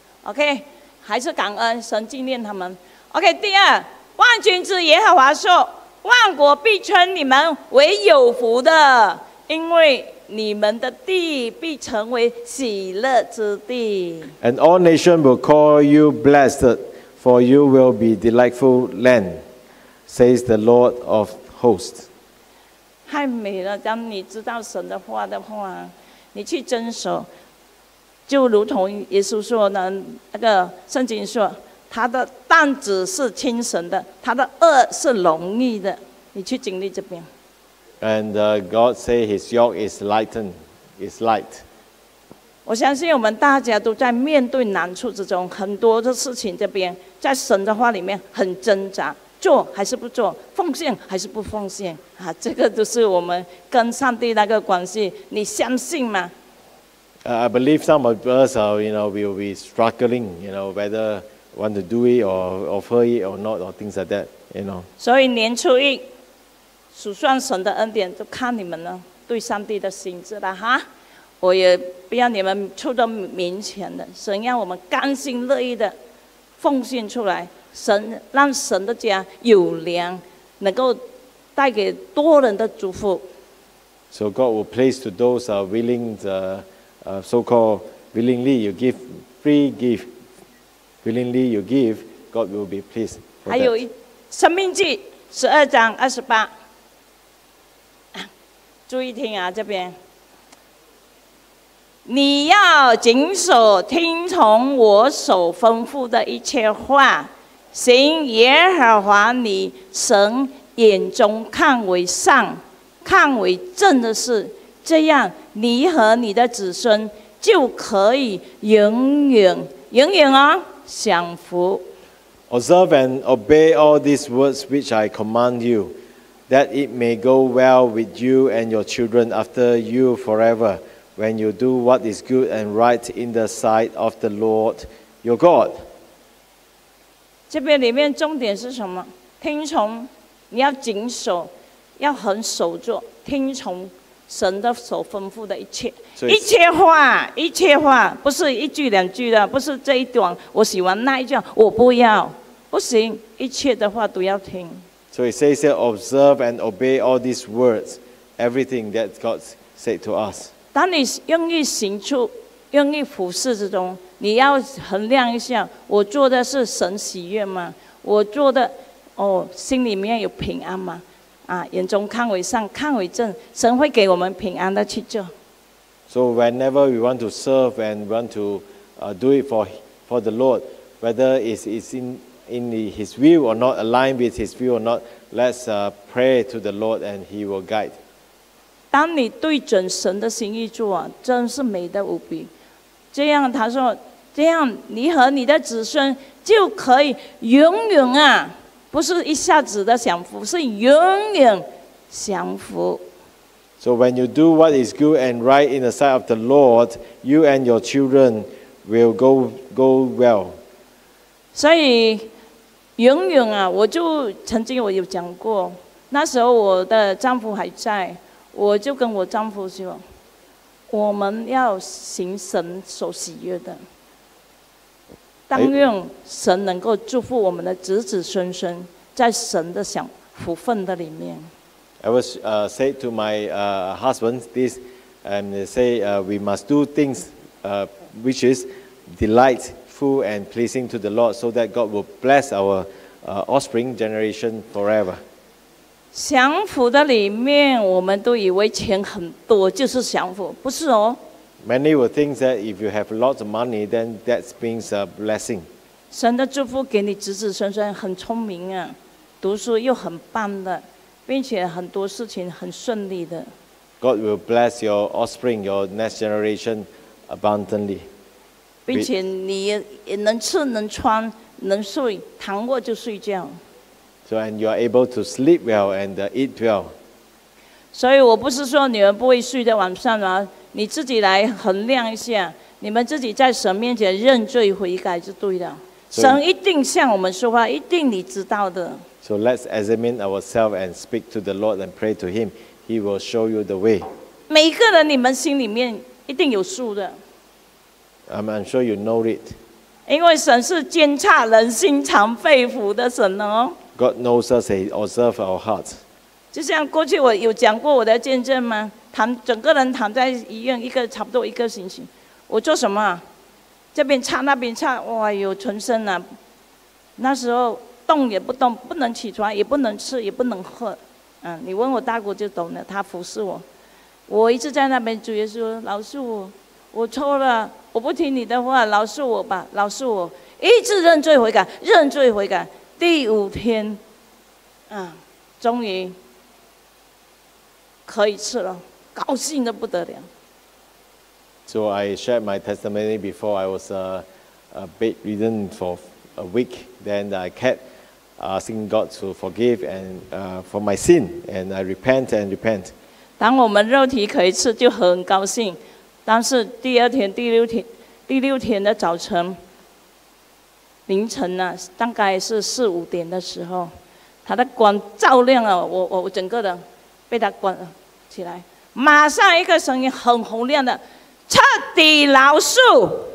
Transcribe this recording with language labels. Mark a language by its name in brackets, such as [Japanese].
[Chinese] OK， 还是感恩神纪念他们。OK， 第二，万军之耶和华说，万国必称你们为有福的，因为你们的地必成为喜乐之地。 [English] And all nations will call you blessed. For you will be delightful land, says the Lord of hosts. [Chinese] 太美了，当你知道神的话的话，你去遵守，就如同耶稣说的，那个圣经说，他的担子是轻省的，他的轭是容易的，你去经历这边。 [English] And God says his yoke is lightened, is light. [Chinese] 我相信我们大家都在面对难处之中，很多的事情这边在神的话里面很挣扎，做还是不做，奉献还是不奉献啊？这个就是我们跟上帝那个关系，你相信吗 [English] ？I believe some of us are, you know, will be struggling, you know, whether want to do it or offer it or not, or things like that, you know. [Chinese] 所以年初一数算神的恩典，就看你们了，对上帝的心智了哈。我也不要你们出的名钱的，神让我们甘心乐意的奉献出来，神让神的家有粮，能够带给多人的祝福。 [English] So God will place to those are willing the so called willingly you give free gift, willingly you give, God will be pleased. [Chinese] 还有一《生命记》12:28，注意听啊，这边。你要谨守听从我所吩咐的一切话，行耶和华你神眼中看为善、看为正的事，这样你和你的子孙就可以永远、永远啊享福。 [English] Observe and obey all these words which I command you, that it may go well with you and your children after you forever. When you do what is good and right in the sight of the Lord your God. [Chinese] 这边里面重点是什么？听从，你要谨守，要很守住，听从神的所吩咐的一切，一切话，一切话，不是一句两句的，不是这一段，我喜欢那一句，我不要，不行，一切的话都要听。 [English] So it says, observe and obey all these words, everything that God said to us. [Chinese] 当你愿意行出、愿意服侍之中，你要衡量一下：我做的是神喜悦吗？我做的，哦，心里面有平安吗？啊，眼中看为善，看为正，神会给我们平安的去做。 [English] So whenever we want to serve and want to do it for the Lord, whether it's in His will or not, aligned with His will or not, let's pray to the Lord and He will guide. [Chinese] 当你对准神的心意做、啊、真是美得无比。这样他说，这样你和你的子孙就可以永远啊，不是一下子的享福，是永远享福。 [English] So when you do what is good and right in the sight of the Lord, you and your children will go well. [Chinese] 所以永远啊，我就曾经我有讲过，那时候我的丈夫还在，我就跟我丈夫说，我们要行神所喜悦的，但愿神能够祝福我们的子子孙孙，在神的享福分的里面。 [English] I was say to my husband this, and say we must do things which is delightful and pleasing to the Lord, so that God will bless our offspring generation forever. [Chinese] 享福的里面，我们都以为钱很多就是享福，不是哦。 [English] Many will think that if you have lots of money, then that means a blessing. [Chinese] 神的祝福给你子子孙孙很聪明啊，读书又很棒的。并且很多事情很顺利的。 [English] God will bless your offspring, your next generation, abundantly. [Chinese] 并且你也能吃能穿能睡，躺卧就睡觉。 [English] So and you are able to sleep well and eat well. [Chinese] 所以我不是说你们不会睡在晚上啊，你自己来衡量一下，你们自己在神面前认罪悔改就对了。神一定向我们说话，一定你知道的。 [English] So let's examine ourselves and speak to the Lord and pray to Him. He will show you the way. [Chinese] 每个人你们心里面一定有数的。 [English] I'm sure you know it. [Chinese] 因为神是监察人心肠肺腑的神哦。 [English] God knows us, He observes our hearts. [Chinese] 就像过去我有讲过我的见证吗？整个人躺在医院一个差不多一个星期，我做什么？这边擦那边擦，哇哟，全身啊，那时候。动也不动，不能起床，也不能吃，也不能喝。你问我大姑就懂了，她服侍我。我一直在那边主耶稣，饶恕我，我错了，我不听你的话，饶恕我吧，饶恕我。一直认罪悔改，认罪悔改。第五天，终于可以吃了，高兴得不得了。 [English] So I shared my testimony before. I was a bedridden for a week. Then I kept. Asking God to forgive and for my sin, and I repent. [Chinese] 当我们肉体可以吃，就很高兴。但是第二天、第六天的早晨、凌晨呢、大概是四五点的时候，他的光照亮了我整个人被他关起来，马上一个声音很洪亮的，彻底饶恕。